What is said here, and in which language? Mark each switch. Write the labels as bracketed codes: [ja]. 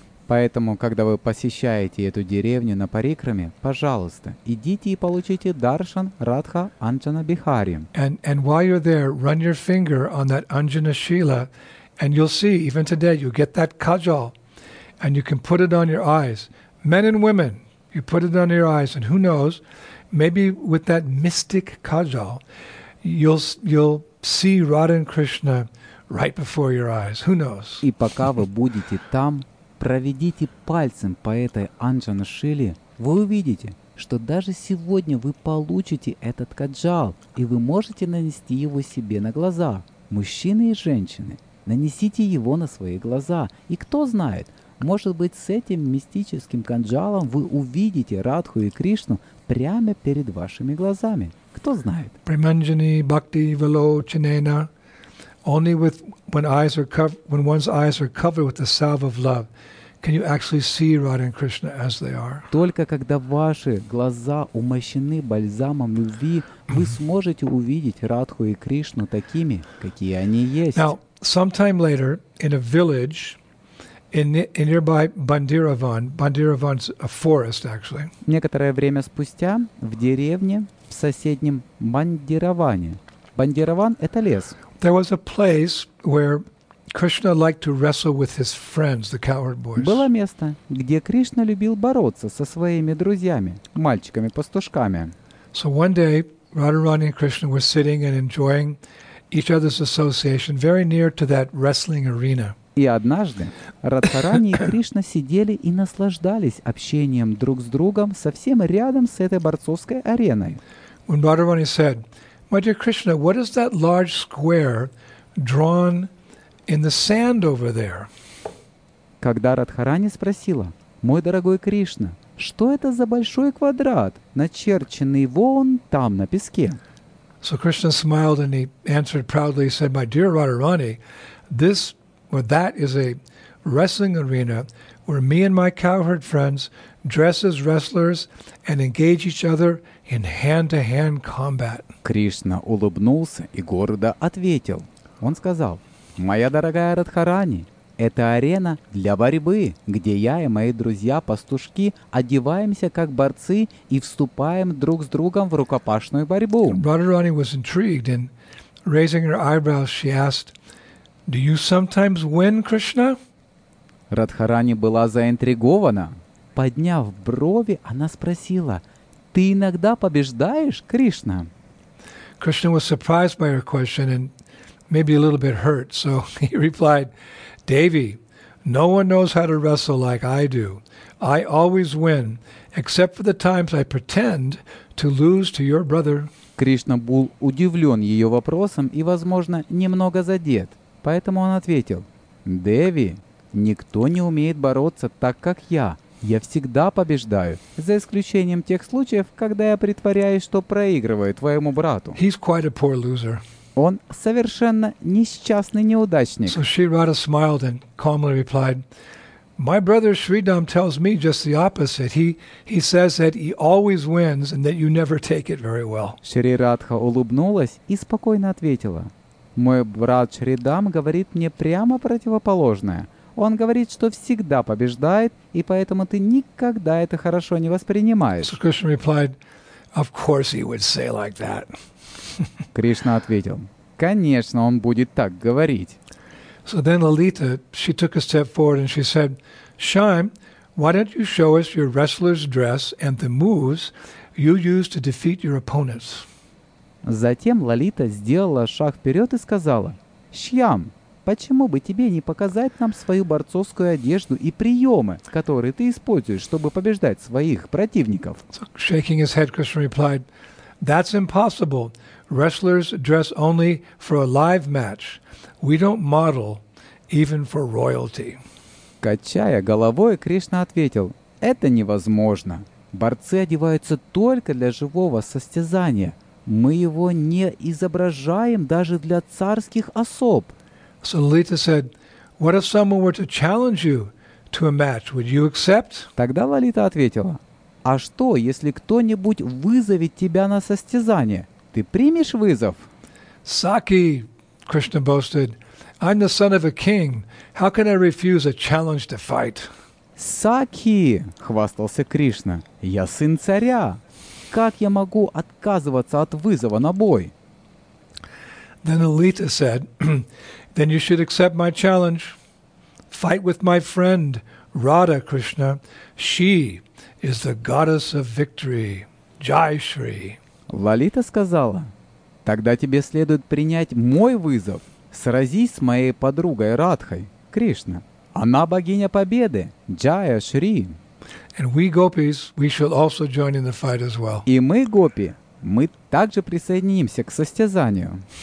[ru] Поэтому, когда вы посещаете эту деревню на Парикраме, пожалуйста, идите и получите даршан Радха Анджана Бихари. [en] And while you're there, run your finger on that Anjana Shila, and you'll see, even today, you get that kajal, and you can put it on your eyes. Men and women, you put it on your eyes, and who knows, maybe with that mystic kajal, you'll see Radha and Krishna right before your eyes. Who knows? [ru] И пока вы будете там, проведите пальцем по этой Анджана Шиле, вы увидите, что даже сегодня вы получите этот каджал, и вы можете нанести его себе на глаза. Мужчины и женщины, нанесите его на свои глаза. И кто знает, может быть, с этим мистическим каджалом вы увидите Радху и Кришну прямо перед вашими глазами. Кто знает? [sa] Приманджани бхакти вилоченена. [en] Only with when one's eyes are covered with the salve of love, can you actually see Radha and Krishna as they are. [ru] Только когда ваши глаза умощены бальзамом любви, вы сможете увидеть Радху и Кришну такими, какие они есть. [en] Now, sometime later, in a village, in nearby Bandiravan, Bandiravan's a forest actually. [ru] Некоторое время спустя в деревне в соседнем Бандироване. Бандираван — это лес. [en] There was a place where Krishna liked to wrestle with his friends, the cowherd boys. [ru] Было место, где Кришна любил бороться со своими друзьями, мальчиками-пастушками. [en] So one day, Radharani and Krishna were sitting and enjoying each other's association very near to that wrestling arena. [ru] И однажды Радхарани и Кришна сидели и наслаждались общением друг с другом совсем рядом с этой борцовской ареной. [en] When Radharani said, My dear Krishna, what is that large square drawn in the sand over there? [ru] Когда Радхарани спросила, мой дорогой Кришна, что это за большой квадрат, начерченный вон там на песке? [en] So Krishna smiled and he answered proudly. He said, My dear Radharani, this or that is a wrestling arena where me and my cowherd friends dress as wrestlers and engage each other in hand-to-hand combat. [ru] Кришна улыбнулся и гордо ответил. Он сказал, «Моя дорогая Радхарани, это арена для борьбы, где я и мои друзья-пастушки одеваемся как борцы и вступаем друг с другом в рукопашную борьбу». [en] Радхарани was intrigued, and raising her eyebrows, she asked, «Do you sometimes win, Krishna?» [ru] Радхарани была заинтригована. Подняв брови, она спросила, «Ты иногда побеждаешь, Кришна?» [en] Krishna was surprised by her question and maybe a little bit hurt, so he replied, Devi, no one knows how to wrestle like I do. I always win, except for the times I pretend to lose to your brother. [ru] Кришна был удивлен ее вопросом и, возможно, немного задет. Поэтому он ответил, Деви, никто не умеет бороться так, как я. Я всегда побеждаю, за исключением тех случаев, когда я притворяюсь, что проигрываю твоему брату. [en] He's quite a poor loser. [ru] Он совершенно несчастный неудачник. [en] So Shri Radha smiled and calmly replied, My brother Shridam tells me just the opposite. He says that he always wins and that you never take it very well. [ru] Шри Радха улыбнулась и спокойно ответила, Мой брат Шридам говорит мне прямо противоположное. Он говорит, что всегда побеждает, и поэтому ты никогда это хорошо не воспринимаешь. [en] So Krishna replied, Of course he would say like that. [ru] Кришна ответил: "Конечно, он будет так говорить". [en] So then Lalita, she took a step forward and she said, "Shyam, why don't you show us your wrestler's dress and the moves you use to defeat your opponents?" [ru] Затем Лалита сделала шаг вперед и сказала: "Шьям, почему бы тебе не показать нам свою борцовскую одежду и приемы, которые ты используешь, чтобы побеждать своих противников?" [en] So, shaking his head, Krishna replied, "That's impossible. Wrestlers dress only for a live match. We don't model even for royalty." [ru] Качая головой, Кришна ответил: "Это невозможно. Борцы одеваются только для живого состязания. Мы его не изображаем даже для царских особ." [en] So Lalita said, "What if someone were to challenge you to a match? Would you accept?" [ru] Тогда Лалита ответила: "А что, если кто-нибудь вызовет тебя на состязание? Ты примешь вызов?" [en] "Saki," Krishna boasted, "I'm the son of a king. How can I refuse a challenge to fight?" [ru] "Саки," хвастался Кришна, "я сын царя. Как я могу отказываться от вызова на бой?" [en] Then Lalita said, "Then you should accept my challenge. Fight with my friend Radha Krishna. She is the goddess of victory. Jai Shri." [ru] Лалита сказала: "Тогда тебе следует принять мой вызов. Сразись с моей подругой Радхой, Кришна. Она богиня победы. Jaya Shri." [en] And we gopis, we shall also join in the fight as well. [ru] И мы, гопи, мы также присоединимся к состязанию.